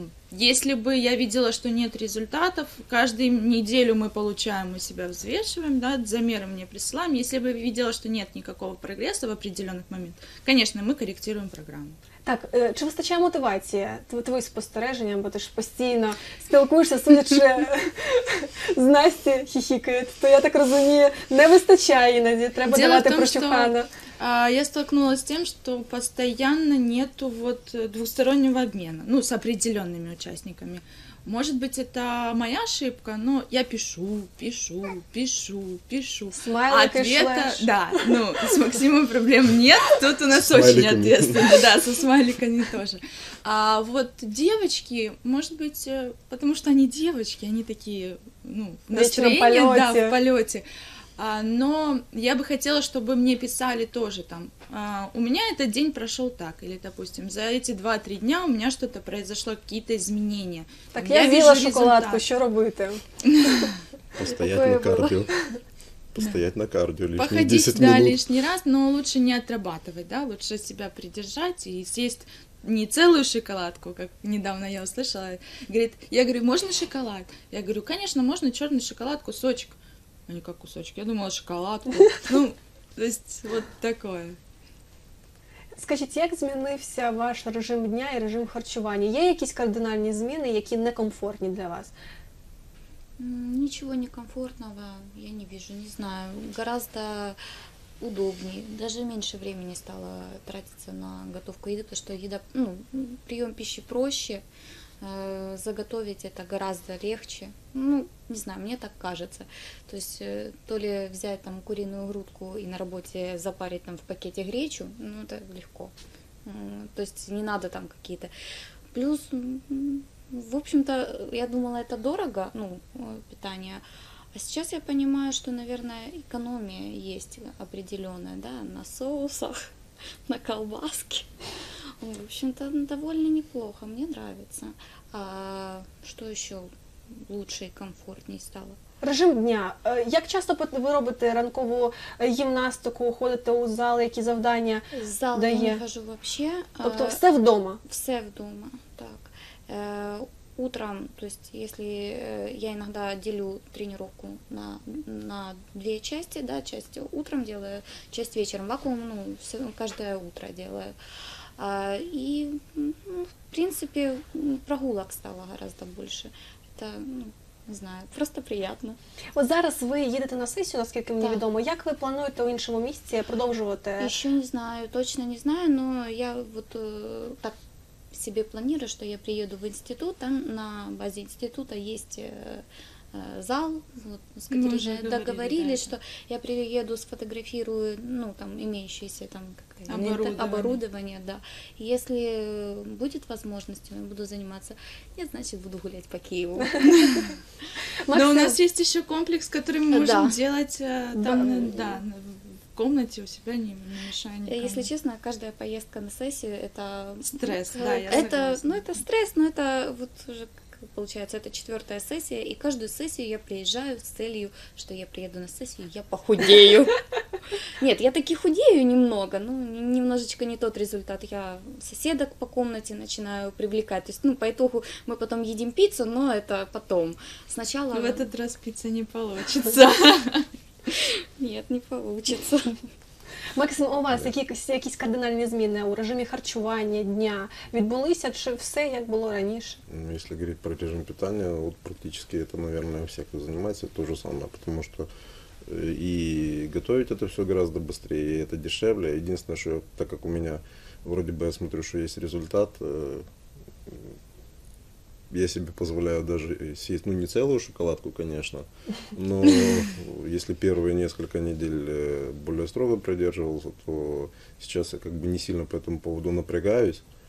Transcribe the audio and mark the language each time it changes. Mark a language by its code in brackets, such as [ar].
[ru] Если бы я видела, что нет результатов, каждую неделю мы получаем, мы себя взвешиваем, да, замеры мне присылаем. Если бы видела, что нет никакого прогресса в определенных моментах, конечно, мы корректируем программу. [uk] Так, чи вистачає мотивації твої спостереження, бо ти ж постійно спілкуєшся, судячи з Насті хіхікає, то я так розумію, не вистачає іноді, треба давати прощухану. [ru] Я столкнулась с тем, что постоянно нету вот двустороннего обмена, с определенными участниками. Может быть, это моя ошибка, но я пишу. Смайлик ответа, да, с Максимом проблем нет, тут у нас с очень ответственно, да, со смайликами тоже. А вот девочки, может быть, потому что они девочки, они такие, настроение, да, в полете. Но я бы хотела, чтобы мне писали тоже там, у меня этот день прошел так, или, допустим, за эти 2-3 дня у меня что-то произошло, какие-то изменения. [uk] Так я вижу шоколадку, что робити? [ru] Постоять на кардио лишние 10 Походить, да, лишний раз, но лучше не отрабатывать, да, лучше себя придержать и съесть не целую шоколадку, как недавно я услышала. Я говорю, можно шоколад? Я говорю, конечно, можно черный шоколад, кусочек. А не как кусочки, я думала шоколадку. То есть вот такое. [uk] Скажіть, як змінився ваш режим дня і режим харчування? Є якісь кардинальні зміни, які некомфортні для вас? [ru] Ничего некомфортного я не вижу, не знаю. Гораздо удобнее. Даже меньше времени стало тратиться на готовку еды, потому что еда, ну, прием пищи проще. Заготовить это гораздо легче. Ну, не знаю, мне так кажется. То есть, то ли взять там куриную грудку и на работе запарить там в пакете гречу, ну, это легко. То есть, не надо там какие-то... Плюс, в общем-то, я думала, это дорого, ну, питание. А сейчас я понимаю, что, наверное, экономия есть определенная, да, на соусах, на колбаске. В общем-то, довольно неплохо, мне нравится. А что еще лучше и комфортнее стало? Режим дня. [uk] Як часто ви робите ранкову гімнастику, ходите у зал, які завдання дає? В зал дає? Я не хожу взагалі. Тобто все вдома? Все вдома, так. [ru] Утром, то есть, если я иногда делю тренировку на две части, да, часть утром делаю, часть вечером, вакуум, ну, все, каждое утро делаю. И, ну, в принципе, прогулок стало гораздо больше. Это, ну, не знаю, просто приятно. [uk] Вот зараз ви їдете на сесію, наскільки мені відомо. Як ви плануєте у іншому місці продовжувати? Ще не знаю, точно не знаю, [ru] но я вот так себе планирую, что я приеду в институт, там на базе института есть зал, вот, с которым уже договорились, да, что я приеду, сфотографирую, ну, там, имеющееся там оборудование, да. Если будет возможность, я буду заниматься, я, значит, буду гулять по Киеву. Но у нас есть еще комплекс, который мы можем делать там, да, в комнате у себя не мешает никому. Если честно, каждая поездка на сессию это стресс, да, я это, ну, это стресс, но это вот уже получается, это четвертая сессия, и каждую сессию я приезжаю с целью, что я приеду на сессию, я похудею. Нет, я таки худею немного, но немножечко не тот результат. Я соседок по комнате начинаю привлекать. То есть, ну, по итогу мы потом едим пиццу, но это потом. Сначала. В этот раз пицца не получится. Нет, не получится. [uk] Максим, у вас якісь кардинальні зміни у режимі харчування дня відбулися, чи все як було раніше? Ну, якщо говорити про режим питання, от практично це, наверное, у всіх, хто займається, то же саме, тому що і готувати це все [ru] гораздо быстрее, [uk] і це дешевле. [ru] Единственное, [uk] що так як у мене, [ru] вроде би, я смотрю, що є результат, я себе позволяю даже съесть, ну, не целую шоколадку, конечно, но если первые несколько недель более строго придерживался, то сейчас я как бы не сильно по этому поводу напрягаюсь.